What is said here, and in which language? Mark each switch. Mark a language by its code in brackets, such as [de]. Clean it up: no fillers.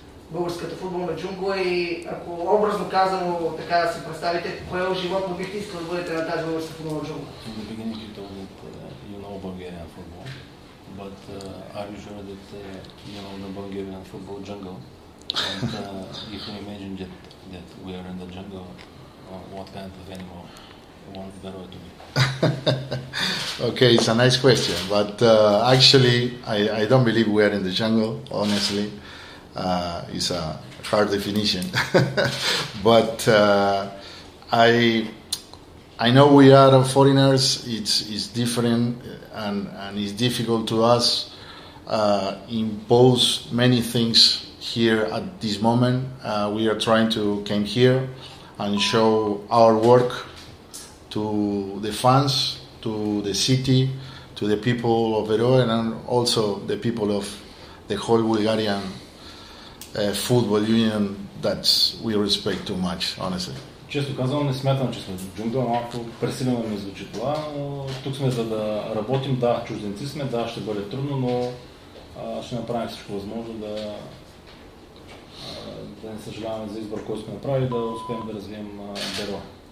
[bg] Българската футболна джунгла и ако образно казано така да се представите, кое е животно бихте искали да бъдете на тази българска футболна джунгла? [en] The beginning you told that you know Bulgarian football, but are you sure that you know the Bulgarian football jungle? And you can imagine that we are in the jungle, what kind of animal want Berue to be? Okay, it's a nice question, but actually I don't believe we are in the jungle, honestly. It's a hard definition, but I know we are foreigners. It's different and it's difficult to us impose many things here at this moment. We are trying to come here and show our work to the fans, to the city, to the people of Berue, and also the people of the whole Bulgarian football union that we respect too much, honestly. [bg] Честно казвам, не смятам, че сме в джунгла, малко пресилено ми звучи това. Тук сме за да работим, да, чужденци сме, да, ще бъде трудно, но ще направим всичко възможно да не съжаляваме за избор, който сме направили, да успеем да развием Берое.